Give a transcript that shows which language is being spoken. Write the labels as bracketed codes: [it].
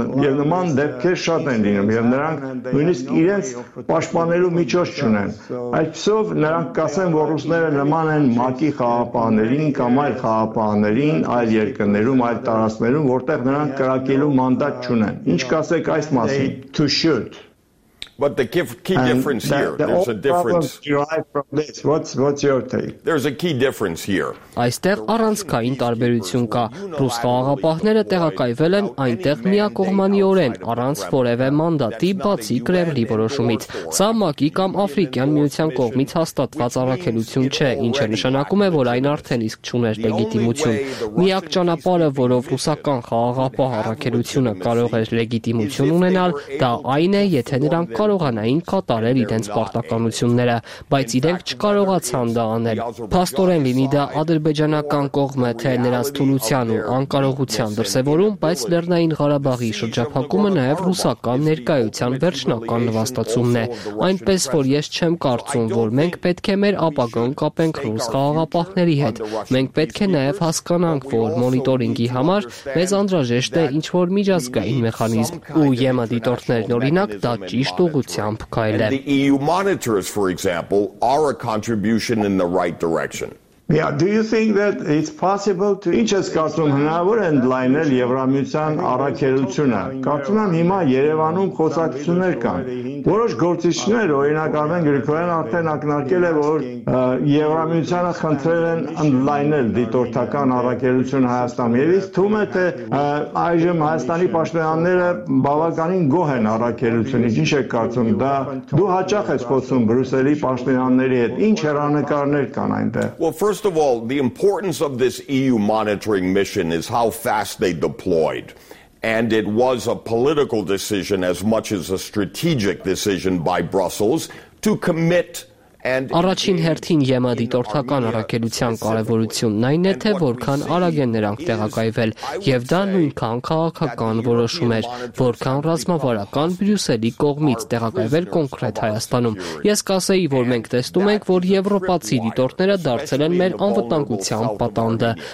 [hy] եւ նման դեպքեր շատ են լինում, եւ նրանք նույնիսկ իրենց պաշտպանելու միջոց չունեն։ Այսով նրանք կասեն, որ ռուսները նման են ՄԱԿ-ի խաղապահներին կամ այլ խաղապահներին այլ երկրներում, այլ տարածքներում, որ նրանք կրակելու մանդատ չունեն։ Ինչ կասեք այս մասին? [en] To shoot. But the key difference here, there's a difference. What's your take? There's a key difference here. [hy] Այստեղ առանցքային տարբերություն կա։ Ռուս խաղաղապահները տեղակայվել են այնտեղ միակողմանիորեն, առանց որևէ մանդատի, բացի Կրեմլի որոշումից։ Սա ՄԱԿ-ի կամ Աֆրիկյան միության կողմից հաստատված առաքելություն չէ, ինչը նշանակում է, որ այն արդեն իսկ չուներ լեգիտիմություն։ Միակ ճանապարհը, որով ռուսական խաղաղապահ առաքելությունը կարող էր լեգիտիմություն ունենալ, դա այն է, եթե նրանք կարողանային կատարել իրենց պարտականությունները, բայց իրենք չկարողացան դա անել։ Փաստորեն լինի դա ադրբեջանական կողմը, թե նրանց թուլության ու անկարողության դրսևորում, բայց Լեռնային Ղարաբաղի շրջափակումը նաև ռուսական ներկայության վերջնական նվաստացումն է, այնպես որ ես չեմ կարծում, որ մենք պետք է մեր ապագան կապենք ռուս խաղաղապահների հետ։ Մենք պետք է նաև հասկանանք, որ մոնիտորինգի համար մեզ անդրաժեշտ է ինչ-որ միջազգային մեխանիզմ, ու ԵՄ-ի դիտորդներն օրինակ դա ճիշտ ուղղությամբ քայլել։ [en] And the EU monitors, for example, are a contribution in the right direction. Yeah, do you think that it's possible to [hy] Ինչ ես կարծում, հնարավոր է ընդլայնել Եվրամիության առաքելությունը։ Կարծում եմ հիմա Երևանում խոսակցություններ կան։ Որոշ գործիչներ, օրինակ Արմեն Գրիգորյանը արդեն ակնարկել է, որ Եվրամիությանը խնդրել են ընդլայնել դիտորդական առաքելությունը Հայաստանում, եւ ես թվում է, թե այժմ Հայաստանի պաշտոնյաները բավականին գոհ են առաքելությունից։ Ինչ եք կարծում, դա դու հաճախ ես խոսում Բրյուսելի պաշտոնյաների հետ, ինչ հեռանկարներ կան այնտեղ։ [en] First of all, the importance of this EU monitoring mission is how fast they deployed. And it was a political decision as much as a strategic decision by Brussels to commit [hy] Առաջին հերթին ԵՄ-ի դիտորդական առաքելության կարևորությունն այն է, թե որքան արագ են նրանք տեղակայվել, եւ դա նույնքան քաղաքական որոշում էր, որքան ռազմավարական Բրյուսելի կողմից տեղակայվել կոնկրետ Հայաստանում։ Ես կասեի, որ մենք տեսնում ենք, որ եվրոպացի դիտորդները դարձել են մեր անվտանգության պատանդը,